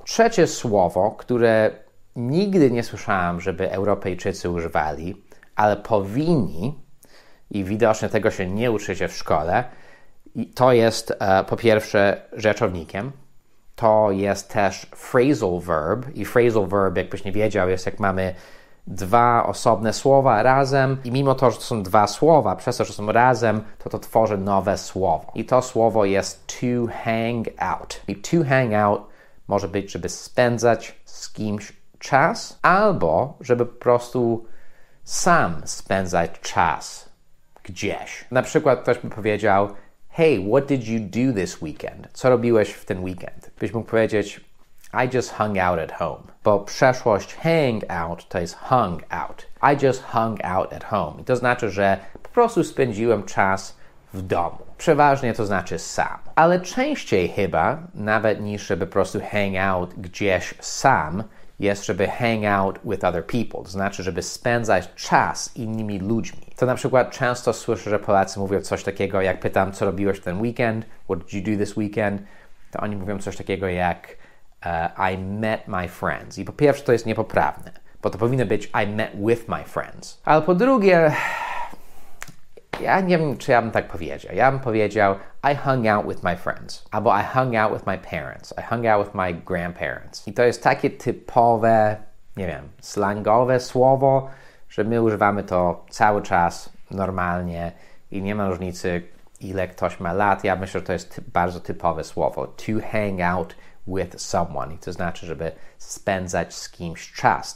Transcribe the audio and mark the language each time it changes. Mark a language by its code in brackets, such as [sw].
[pl] Trzecie słowo, które nigdy nie słyszałem, żeby Europejczycy używali, ale powinni i widocznie tego się nie uczycie w szkole, to jest po pierwsze rzeczownikiem, to jest też phrasal verb i phrasal verb, jakbyś nie wiedział, jest jak mamy 2 osobne słowa razem i mimo to, że to są 2 słowa, przez to, że są razem, to tworzy nowe słowo. I to słowo jest to hang out. I to hang out może być, żeby spędzać z kimś czas albo żeby po prostu sam spędzać czas gdzieś. Na przykład ktoś by powiedział, [en] Hey, what did you do this weekend? [pl] Co robiłeś w ten weekend? Byś mógł powiedzieć, [en] I just hung out at home. [pl] Bo przeszłość hang out to jest hung out. [en] I just hung out at home. [pl] I to znaczy, że po prostu spędziłem czas w domu. Przeważnie to znaczy sam. Ale częściej chyba, nawet niż żeby po prostu hang out gdzieś sam, jest, żeby [en] hang out with other people. [pl] To znaczy, żeby spędzać czas innymi ludźmi. To na przykład często słyszę, że Polacy mówią coś takiego, jak pytam, co robiłeś ten weekend? [en] What did you do this weekend? [pl] To oni mówią coś takiego jak [en] I met my friends. [pl] I po pierwsze to jest niepoprawne, bo to powinno być [en] I met with my friends. [pl] Ale po drugie, ja nie wiem, czy ja bym tak powiedział. Ja bym powiedział [en] I hung out with my friends. [pl] Albo [en] I hung out with my parents. I hung out with my grandparents. [pl] I to jest takie typowe, nie wiem, slangowe słowo, że my używamy to cały czas, normalnie i nie ma różnicy, ile ktoś ma lat. Ja myślę, że to jest bardzo typowe słowo. To hang out with someone. I to znaczy, żeby spędzać z kimś czas.